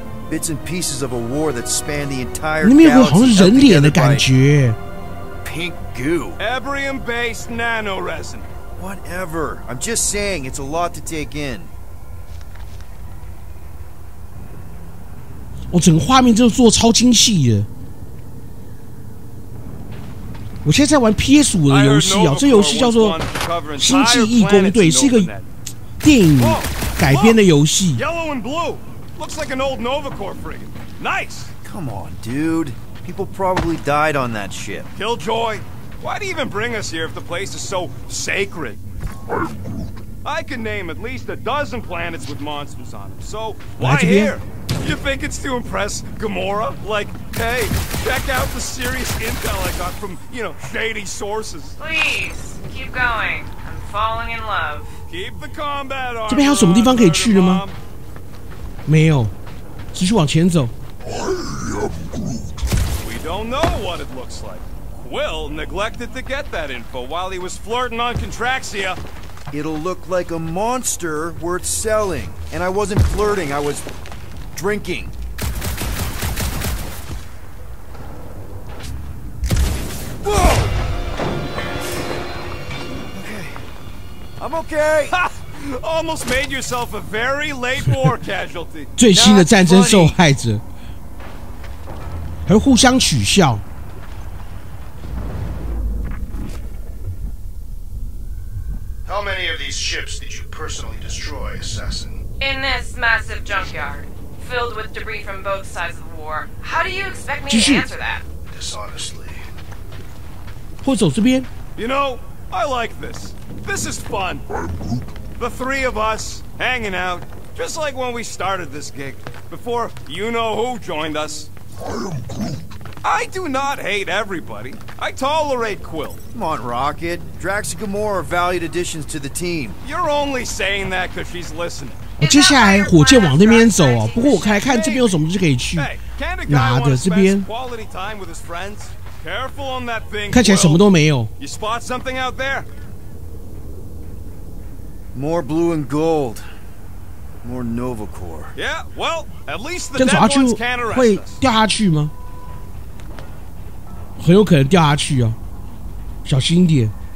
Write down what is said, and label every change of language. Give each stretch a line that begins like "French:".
English: Bits and pieces of a war that span the entire
Chinese: galaxy. 那边有好像人脸的感觉。
English: Pink goo. Ebrium-based nano resin. Whatever. I'm just saying, it's a lot to take in.
Chinese: 我整个画面就做超精细的。我现在在玩 PS5 的游戏啊，这游戏叫做《星际异攻队》，是一个电影改编的游戏。
English: Yellow and blue. Looks like an old Novacore frigate. Nice! Come on, dude. People probably died on that ship. Killjoy, why'd he even bring us here if the place is so sacred? I can name at least a dozen planets with monsters on them, so why here? You think it's to impress Gamora? Like, hey, check out the serious intel I got from, you know, shady sources. Please, keep going. I'm falling in love. Keep the combat on.
Chinese: 这边还有什么地方可以去的吗？没有，继续往前走。
English: I am Groot. We don't know what it looks like. Quill neglected to get that info while he was flirting on Contraxia. It'll look like a monster worth selling. And I wasn't flirting, I was drinking. Whoa! Okay. I'm okay! Ha! Almost made yourself a very late war casualty.
Chinese: 最新的战争受害者，还互相取笑。
English: How many of these ships did you personally destroy, Assassin? In this massive junkyard, filled with debris from both sides of the war, how do you expect me to answer that? Dishonestly.
Chinese: 或走这边。
English: You know, I like this. This is fun. The three of us, hanging out, just like when we started this gig, before you-know-who joined us. I am Groot. I do not hate everybody. I tolerate Quill. Come on, Rocket. Drax and Gamora are valued additions to the team. You're only saying that because she's listening.
Chinese: 接下来火箭往那边走哦，不过我看来看这边有什么是可以去拿的，这边。
English: Quality time with his friends? Careful on that thing,
Chinese: Quill. 看起来什么都没有。
English: You spot something out there? More blue and gold. More Novacore. Yeah, well, at least the dead ones can't arrest us.
Chinese: 这样走下去会掉下去吗？很有可能掉下去啊，小心一点。